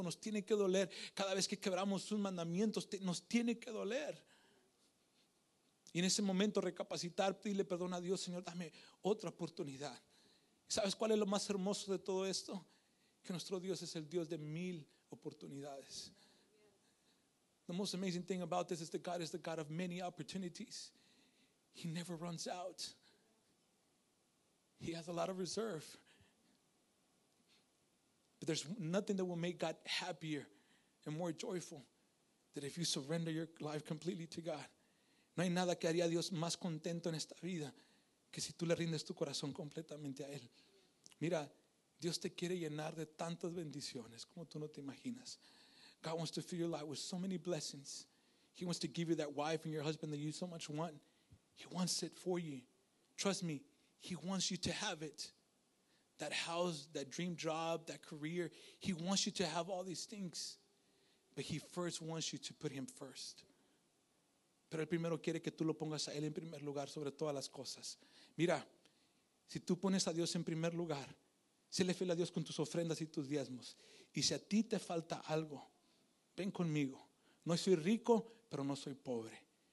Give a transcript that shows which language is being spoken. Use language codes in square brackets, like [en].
[es] Nos tiene que doler cada vez que quebramos sus mandamientos. Nos tiene que doler. Y en ese momento recapacitar, pedirle perdón a Dios. Señor, dame otra oportunidad. ¿Sabes cuál es lo más hermoso de todo esto? Que nuestro Dios es el Dios de mil oportunidades. [en] The most amazing thing about this is that God is the God of many opportunities. He never runs out. He has a lot of reserve. But there's nothing that will make God happier and more joyful than if you surrender your life completely to God. [es] No hay nada que haría a Dios más contento en esta vida que si tú le rindes tu corazón completamente a Él. Mira, Dios te quiere llenar de tantas bendiciones como tú no te imaginas. [en] God wants to fill your life with so many blessings. He wants to give you that wife and your husband that you so much want. He wants it for you. Trust me, He wants you to have it. That house, that dream job, that career. He wants you to have all these things. But He first wants you to put Him first. [es] Pero el primero quiere que tú lo pongas a Él en primer lugar sobre todas las cosas. Mira, si tú pones a Dios en primer lugar, séle fiel a Dios con tus ofrendas y tus diezmos. Y si a ti te falta algo, ven conmigo. No soy rico, pero no soy pobre.